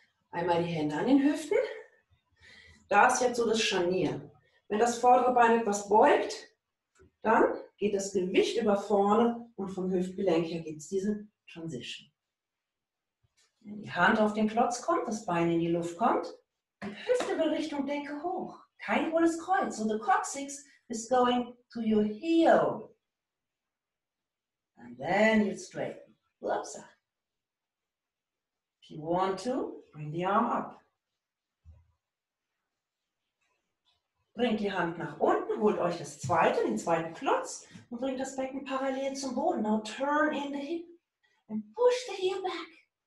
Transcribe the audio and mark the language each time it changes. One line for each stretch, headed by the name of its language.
German: Einmal die Hände an den Hüften. Da ist jetzt so das Scharnier. Wenn das vordere Bein etwas beugt, dann geht das Gewicht über vorne und vom Hüftgelenk her gibt es diese Transition. Wenn die Hand auf den Klotz kommt, das Bein in die Luft kommt, die Hüfte will Richtung Decke hoch. Kein hohles Kreuz.
English: So the coccyx is going to your heel. And then you straighten. Ups. If you want to, bring the arm up.
German: Bringt die Hand nach unten, holt euch das zweite, den zweiten Klotz und bringt das Becken parallel zum Boden.
English: Now turn in the hip and push the heel back.